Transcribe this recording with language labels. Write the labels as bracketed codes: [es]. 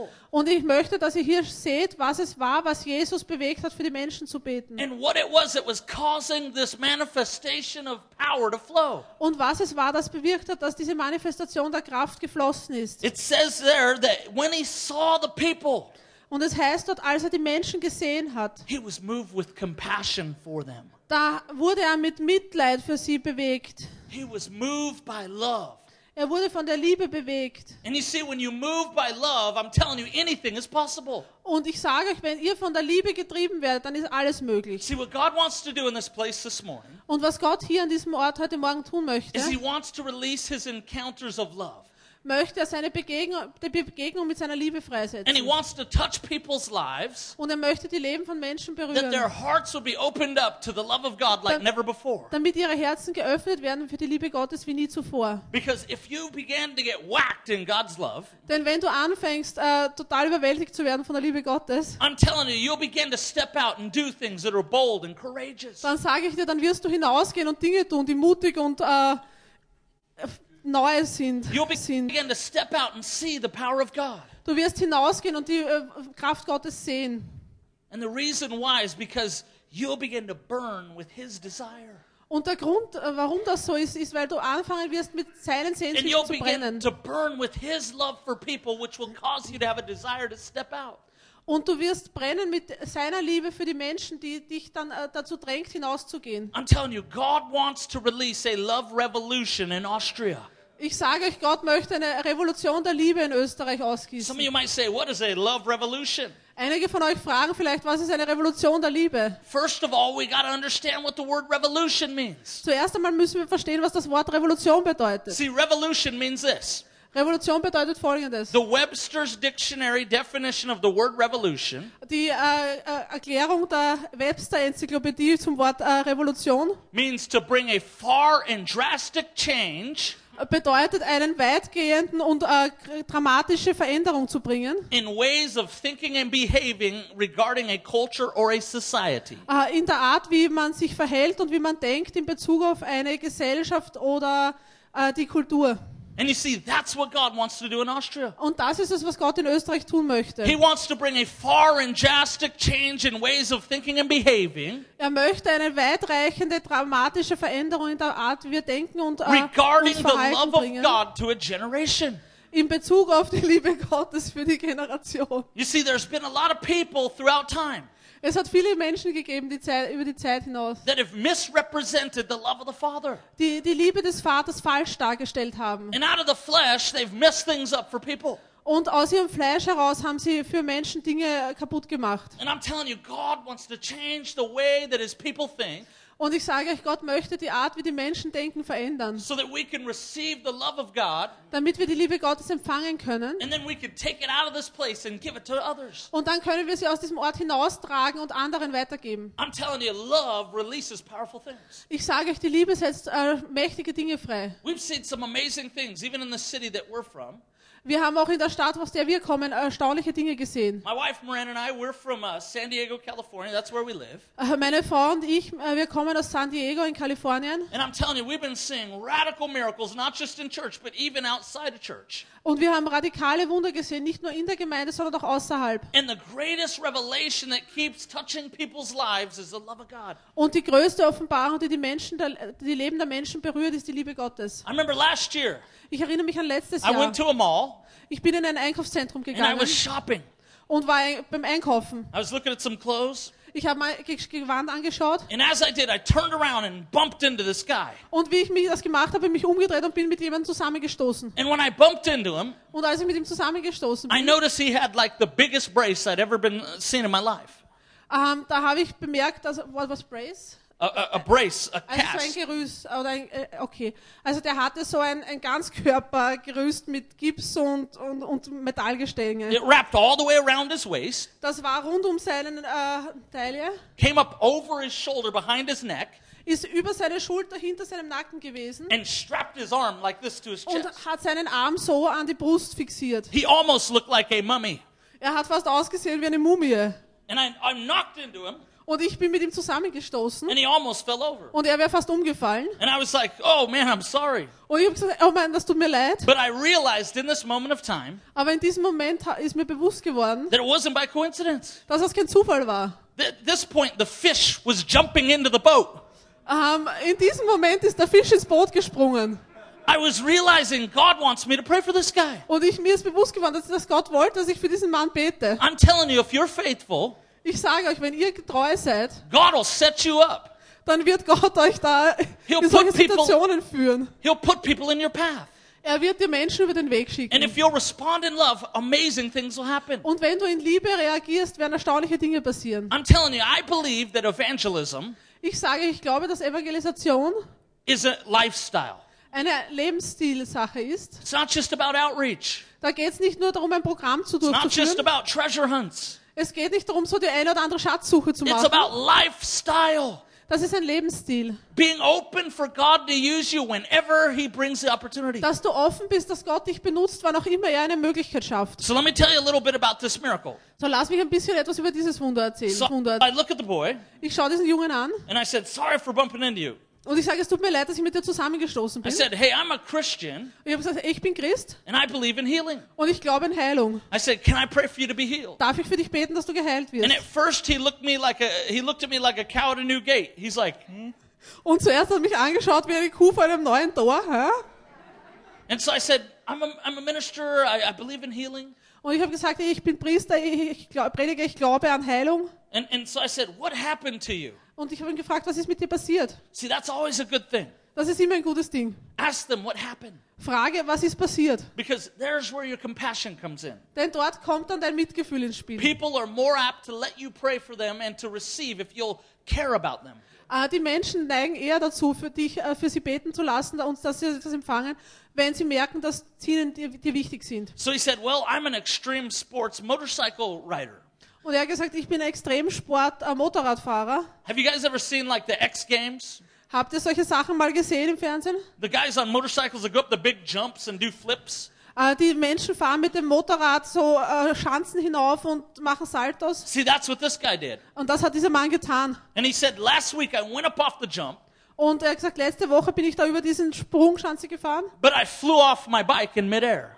[de] Und ich möchte, dass ihr hier seht, was es war, was Jesus bewegt hat, für die Menschen zu beten. [en] And what it was causing this manifestation of power to flow. [de] Und was es war, das bewirkt hat, dass diese Manifestation der Kraft geflossen ist. [en] It says there that when he saw the people. [de] Und es heißt dort, als er die Menschen gesehen hat. [en] He was moved with compassion for them. [de] Da wurde er mit Mitleid für sie bewegt. [en] He was moved by love. [de] Er wurde von der Liebe bewegt. [en] And you see, when you move by love, I'm telling you, anything is possible. [de] Und ich sage euch, wenn ihr von der Liebe getrieben werdet, dann ist alles möglich. [en] See, what God wants to do in this place this morning. [de] Und was Gott hier an diesem Ort heute Morgen tun möchte. [en] Is he wants to release his encounters of love. [de] möchte er seine Begegnung mit seiner Liebe freisetzen. [en] And he wants to touch people's lives. [de] Und er möchte die Leben von Menschen berühren. [en] That their hearts will be opened up to the love of God like never before. [de] Damit ihre Herzen geöffnet werden für die Liebe Gottes wie nie zuvor. [en] Because if you begin to get whacked in God's love, [de] denn wenn du anfängst total überwältigt zu werden von der Liebe Gottes, [en] I'm telling you, you'll begin to step out and do things that are bold and courageous. [de] Dann sage ich dir, dann wirst du hinausgehen und Dinge tun, die mutig und neu sind. [en] Begin to step out and see the power of God. [de] Du wirst hinausgehen und die Kraft Gottes sehen. [en] And the reason why is because you'll begin to burn with His desire. [de] Und der Grund, warum das so ist, ist, weil du anfangen wirst, mit seinen Sehnsüchten zu brennen. Und du wirst brennen mit seiner Liebe für die Menschen, die dich dann dazu drängt, hinauszugehen. [en] I'm telling you, God wants to release a love revolution in Austria. [de] Ich sage euch, Gott möchte eine Revolution der Liebe in Österreich ausgießen. [en] Some of you might say, what is a love revolution? [de] Einige von euch fragen vielleicht, was ist eine Revolution der Liebe? [en] First of all, we got to understand what the word revolution means. [de] Zuerst einmal müssen wir verstehen, was das Wort Revolution bedeutet. [en] See, revolution means this. [de] Revolution bedeutet Folgendes. [en] The Webster's Dictionary definition of the word revolution. [de] Die Erklärung der Webster-Enzyklopädie zum Wort Revolution. [en] Means to bring a far and drastic change. [de] Bedeutet einen weitgehenden und dramatische Veränderung zu bringen. [en] In ways of thinking and behaving regarding a culture or a society. [de] In der Art, wie man sich verhält und wie man denkt in Bezug auf eine Gesellschaft oder die Kultur. [en] And you see, that's what God wants to do in Austria. [de] Und das ist es, was Gott in Österreich tun möchte. [en] He wants to bring a far and drastic change in ways of thinking and behaving. [de] Er möchte eine weitreichende, dramatische Veränderung in der Art, wie wir denken und uns verhalten. [en] Regarding the love of God to a generation. [de] In Bezug auf die Liebe Gottes für die Generation. [en] You see, there's been a lot of people throughout time. [de] Es hat viele Menschen gegeben, die Zeit, über die Zeit hinaus, [en] that have misrepresented the love of the Father. [de] Die Liebe des Vaters falsch dargestellt haben. [en] And out of the flesh, they've messed things up for people. [de] Und aus ihrem Fleisch heraus haben sie für Menschen Dinge kaputt gemacht. [en] And I'm telling you, God wants to change the way that His people think. [de] Und ich sage euch, Gott möchte die Art, wie die Menschen denken, verändern. [en] So that we can receive the love of God, [de] damit wir die Liebe Gottes empfangen können. [en] And then we can take it out of this place and give it to others. [de] Und dann können wir sie aus diesem Ort hinaustragen und anderen weitergeben. [en] I'm telling you, love releases powerful things. [de] Ich sage euch, die Liebe setzt mächtige Dinge frei. [en] We've seen some amazing things, even in the city that we're from. [de] Wir haben auch in der Stadt, aus der wir kommen, erstaunliche Dinge gesehen. [en] My wife Miranda and I, we're from San Diego, California. That's where we live. [de] Meine Frau und ich, wir kommen aus San Diego in Kalifornien. [en] And I'm telling you, we've been seeing radical miracles, not just in church, but even outside of church. [de] Und wir haben radikale Wunder gesehen, nicht nur in der Gemeinde, sondern auch außerhalb. [en] And the greatest revelation that keeps touching people's lives is the love of God. [de] Und die größte Offenbarung, die Menschen, die Leben der Menschen berührt, ist die Liebe Gottes. [en] I remember last year. [de] Ich erinnere mich an letztes Jahr. [en] I went to a mall. [de] Ich bin in ein Einkaufszentrum gegangen. [en] And I was shopping. [de] Und war beim Einkaufen. [en] I was looking at some clothes. [de] Ich habe mein Gewand angeschaut. [en] And as I did, I turned around and bumped into this guy. [de] Und wie ich mich das gemacht habe, mich umgedreht und bin mit jemandem zusammengestoßen. [en] And when I bumped into him, [de] und als ich mit ihm zusammengestoßen bin, [en] I noticed he had like the biggest brace I'd ever been seen in my life. [de] Da habe ich bemerkt, dass [en] what was brace? A brace, a cast. [de] Also so ein Gerüst, oder ein, okay. Also der hatte so ein Ganzkörpergerüst mit Gips und Metallgestänge. [en] It wrapped all the way around his waist. [de] Das war rund um seinen Taille. [en] Came up over his shoulder behind his neck. [de] Ist über seine Schulter hinter seinem Nacken gewesen. [en] And strapped his arm like this to his chest. [de] Und hat seinen Arm so an die Brust fixiert. [en] He almost looked like a mummy. [de] Er hat fast ausgesehen wie eine Mumie. [en] And I knocked into him. [de] Und ich bin mit ihm zusammengestoßen. [en] And he almost fell over. [de] Und er wäre fast umgefallen. [en] And I was like, oh man, I'm sorry. [de] Und ich habe gesagt, oh Mann, das tut mir leid. [en] But I realized in this moment of time, [de] aber in diesem Moment ist mir bewusst geworden, [en] that it wasn't by coincidence. [de] Dass das kein Zufall war. [en] At this point, the fish was jumping into the boat. [de] In diesem Moment ist der Fisch ins Boot gesprungen. [en] I was realizing God wants me to pray for this guy. [de] Und ich mir ist bewusst geworden, dass Gott wollte, dass ich für diesen Mann bete. [en] I'm telling you, if you're faithful, [de] ich sage euch, wenn ihr treu seid, [en] God will set you up. [de] Dann wird Gott euch da in solche Situationen führen. [en] He'll put people in your path. [de] Er wird dir Menschen über den Weg schicken. [en] And if you'll respond in love, amazing things will happen. [de] Und wenn du in Liebe reagierst, werden erstaunliche Dinge passieren. [en] I'm telling you, I believe that evangelism, [de] ich sage, ich glaube, dass Evangelisation [en] is a lifestyle. [de] eine Lebensstilsache ist. [en] It's not just about outreach. [de] Da geht's nicht nur darum, ein Programm zu durchzuführen. [en] It's not just about treasure hunts. [de] Es geht nicht darum, so die eine oder andere Schatzsuche zu machen. [en] It's about lifestyle. [de] Das ist ein Lebensstil. [en] Being open for God to use you whenever He brings the opportunity. [de] Dass du offen bist, dass Gott dich benutzt, wann auch immer er eine Möglichkeit schafft. [en] So let me tell you a little bit about this miracle. [de] So lass mich ein bisschen etwas über dieses Wunder erzählen. [en] So, [de] Wunder. [en] I look at the boy. [de] Ich schaue diesen Jungen an. [en] And I said, sorry for bumping into you. [de] Und ich sage, es tut mir leid, dass ich mit dir zusammengestoßen bin. [en] I said, hey, I'm a Christian. [de] Und ich habe gesagt, ich bin Christ. [en] And I believe in healing. [de] Und ich glaube in Heilung. [en] I said, can I pray for you to be healed? [de] Darf ich für dich beten, dass du geheilt wirst? [en] And at first he looked me like a cow at a new gate. He's like, [de] Und zuerst hat mich angeschaut wie eine Kuh vor einem neuen Tor, hä? [en] And so I said, I'm a minister. I believe in healing. [de] Und ich habe gesagt, ich bin Priester, ich glaube an Heilung. [en] And so I said, what happened to you? [de] Und ich habe ihn gefragt, was ist mit dir passiert? [en] See, that's always a good thing. [de] Das ist immer ein gutes Ding. [en] Ask them what happened. [de] Frage, was ist passiert? [en] Because there's where your compassion comes in. [de] Denn dort kommt dann dein Mitgefühl ins Spiel. [en] People are more apt to let you pray for them and to receive if you'll care about them. [de] Die Menschen neigen eher dazu, für sie beten zu lassen und dass sie etwas empfangen, wenn sie merken, dass sie ihnen dir wichtig sind. [en] So he said, well, I'm an extreme sports motorcycle rider. [de] Und er hat gesagt, ich bin Extremsport-Motorradfahrer. [en] Have you guys ever seen like the X Games? [de] Habt ihr solche Sachen mal gesehen im Fernsehen? [en] The guys on motorcycles that go up the big jumps and do flips. [de] Die Menschen fahren mit dem Motorrad so Schanzen hinauf und machen Saltos. [en] See, that's what this guy did. [de] Und das hat dieser Mann getan. [en] And he said, last week I went up off the jump. [de] Und er hat gesagt, letzte Woche bin ich da über diesen Sprungschanze gefahren. [en] But I flew off my bike in mid-air.